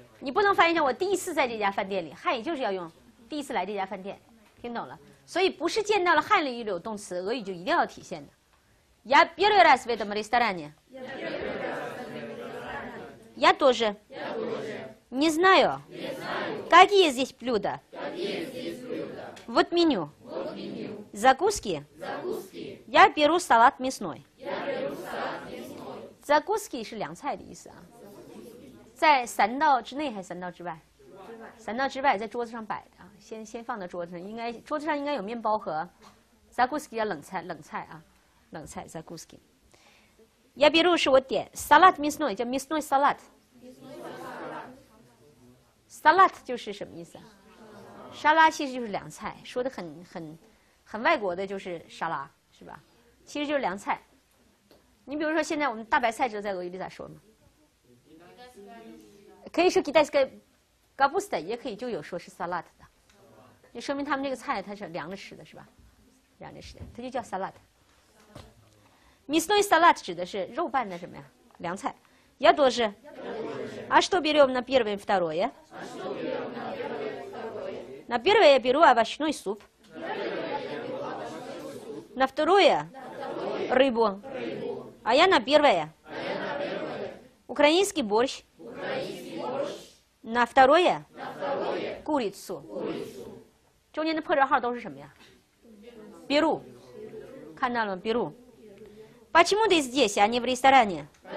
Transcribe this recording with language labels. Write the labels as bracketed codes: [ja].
[zh] 你不能翻译成我第一次在这家饭店里，汉语就是要用第一次来这家饭店，听懂了？所以不是见到了汉语里有动词，俄语就一定要体现的。 [ru] Я первый раз в этом ресторане. Я тоже. Я тоже. Не знаю. Какие здесь блюда? Вот меню. Закуски. Я беру салат мясной. [zh] Закуски 是凉菜的意思啊。在三道之内还是三道之外？三道之外，在桌子上摆的，先放到桌子上，应该桌子上应该有面包和 закуски 叫冷菜啊，冷菜 закуски。 [ru] я беру [zh] 是我点 [ru] салат мясной [zh] 叫 [ru] мясной салат。 [zh] салат 就是什么意思？沙拉其实就是凉菜，说的很外国的就是沙拉是吧？其实就是凉菜。你比如说现在我们大白菜知道在俄语里咋说吗？可以说 китайская капуста， 也可以就有说是 салат 的，就说明他们这个菜它是凉着吃的，是吧？凉着吃的，它就叫 салат。мясной салат 指的是肉拌的什么呀？凉菜。 [ru] я тоже。 а что берем на первое второе？ на первое я беру овощной суп。 на второе рыбу。 а я на первое украинский борщ。 На второе курицу， [zh] 中间的破折号都是什么呀？比如，看到了吗？比如 [ru] ，Почему ты здесь, а не в ресторане？